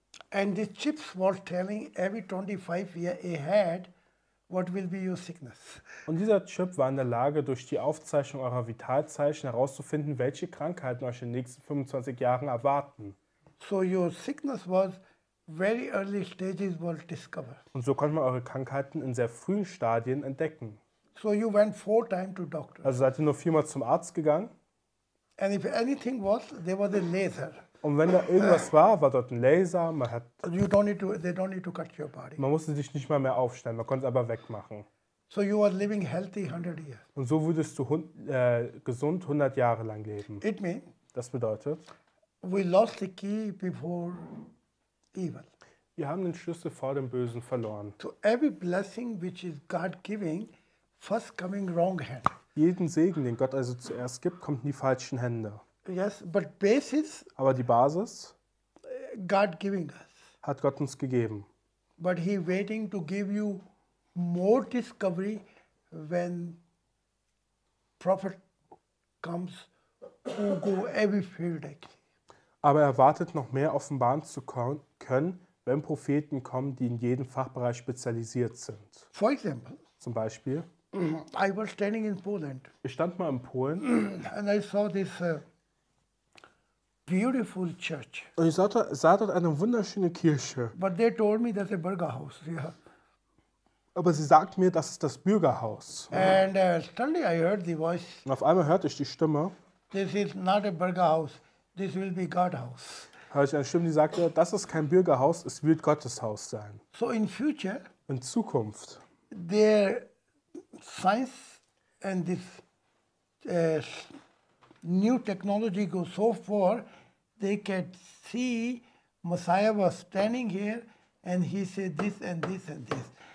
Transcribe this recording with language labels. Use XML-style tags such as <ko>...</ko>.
<en>And the chips was telling every 25 years ahead what will be your sickness.</en> <de>Und dieser Chip war in der Lage, durch die Aufzeichnung eurer Vitalzeichen herauszufinden, welche Krankheiten euch in den nächsten 25 Jahren erwarten.</de> <en>So your sickness was very early stages was discovered.</en> <de>Und so konnte man eure Krankheiten in sehr frühen Stadien entdecken.</de> <en>So you went 4 times to doctor.</en> <de>Also seid ihr nur 4 Mal zum Arzt gegangen.</de> <en>And if anything was, there was a laser.</en> <de>Und wenn da irgendwas war, war dort ein Laser. Man hat.</de> <en>You don't need to. They don't need to cut your body.</en> <de>Man musste sich nicht mal mehr aufstellen. Man konnte es aber wegmachen.</de> <en>So you are living healthy 100 years.</en> <de>Und so würdest du gesund 100 Jahre lang leben.</de> <en>It means.</en> <de>Das bedeutet.</de> <en>We lost the key before evil.</en> <de>Wir haben den Schlüssel vor dem Bösen verloren.</de> <en>So every blessing which is God giving, first coming wrong hand.</en> <de>Jeden Segen, den Gott also zuerst gibt, kommt in die falschen Hände.</de> <en>Yes, but basis,</en> <de>aber die Basis</de> <en>God giving us.</en> <de>Hat Gott uns gegeben.</de> <en>But he waiting to give you more discovery when prophet comes who go every field.</en> <de>Aber er wartet noch mehr offenbaren zu können, wenn Propheten kommen, die in jedem Fachbereich spezialisiert sind.</de> <en>For example,</en> <de>zum Beispiel.</de> <en>I was standing in Poland.</en> <de>Ich stand mal in Polen.</de> <en>And I saw this beautiful church.</en> <de>Und ich sah dort eine wunderschöne Kirche.</de> <en>But they told me that's a Bürgerhaus. Yeah.</en> <de>Aber sie sagt mir, das ist das Bürgerhaus.</de> <en>And suddenly I heard the voice.</en> <de>Und auf einmal hörte ich die Stimme.</de> <en>This is not a Bürgerhaus. This will be God's house.</en> <de>Hörte ich eine Stimme, die sagte, das ist kein Bürgerhaus, es wird Gottes Haus sein.</de> <en>So in future.</en> <de>In Zukunft.</de> <en>Their science and this new technology go so far, they could see Messiah was standing here and he said this and this and this.</en>